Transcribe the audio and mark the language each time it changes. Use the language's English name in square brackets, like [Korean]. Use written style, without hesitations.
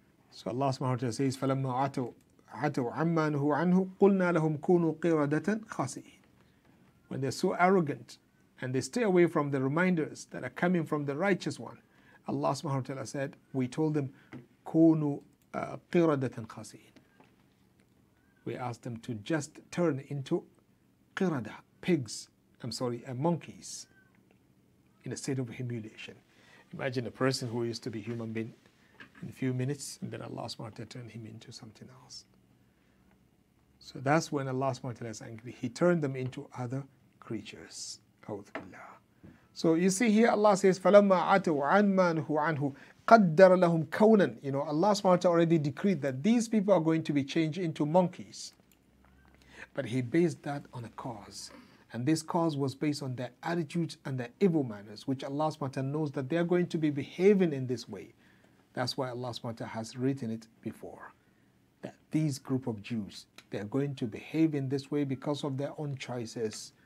[English] So Allah subhanahu wa ta'ala says, [Arabic] فَلَمَّا عَتَوْا عَمَّا نُهُوا عَنْهُ قُلْنَا لَهُمْ كُونُوا قِرَدَةً خَاسِئِينَ. [English] When they're so arrogant and they stay away from the reminders that are coming from the righteous one, Allah subhanahu wa ta'ala said, we told them, [Arabic] "Kunu qiradatan khasi'in." [English] We asked them to just turn into qirada, pigs, monkeys, in a state of humiliation. Imagine a person who used to be human being in a few minutes, and then Allah subhanahu wa ta'ala turned him into something else. So that's when Allah subhanahu wa ta'ala is angry. He turned them into other creatures. [Arabic] A'udhu billah. [English] So you see here Allah says, [Arabic] فَلَمَّا عَتَوْا عَنْمَا نُهُ عَنْهُ قَدَّرَ لَهُمْ كَوْنًا. [English] You know, Allah subhanahu wa ta'ala already decreed that these people are going to be changed into monkeys. But he based that on a cause. And this cause was based on their attitudes and their evil manners, which Allah subhanahu wa ta'ala knows that they are going to be behaving in this way. That's why Allah subhanahu wa ta'ala has written it before. That these group of Jews, they are going to behave in this way because of their own choices.